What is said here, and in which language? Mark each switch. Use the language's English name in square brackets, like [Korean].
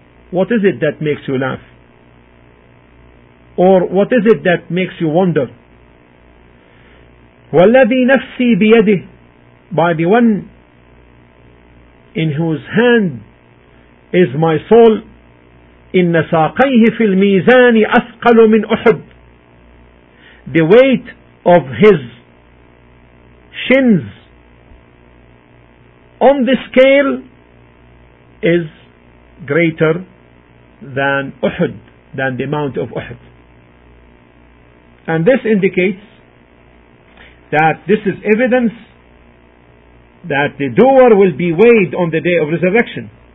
[English] What is it that makes you laugh? Or what is it that makes you wonder? [Arabic] وَالَّذِي نَفْسِي بِيَدِهِ, [English] by the one in whose hand is my soul, [Arabic] إِنَّ سَاقَيْهِ فِي الْمِيزَانِ أَثْقَلُ مِنْ أُحُدٍ. [English] The weight of his shins on the scale is greater than Uhud, than the Mount of Uhud. And this indicates that this is evidence that the doer will be weighed on the day of resurrection.